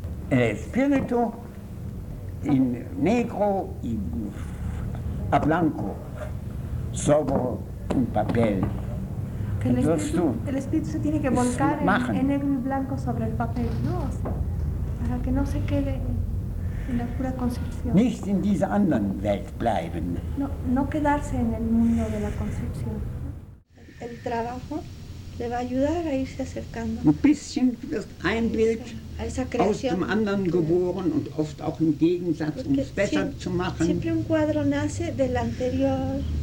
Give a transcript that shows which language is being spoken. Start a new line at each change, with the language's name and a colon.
Spanish: El espíritu en negro y a blanco sobre un papel. Que el espíritu se tiene que volcar en negro y blanco sobre el papel, ¿no? O sea, para que no se quede en la pura concepción.
German: Nicht in dieser anderen Welt bleiben.
Spanish: No quedarse en el mundo de la concepción. El trabajo le va a ayudar a irse acercando.
German: Ein bisschen wird ein Bild aus dem anderen geboren und oft auch im Gegensatz, um es besser zu machen.
Spanish: Siempre un cuadro nace del anterior.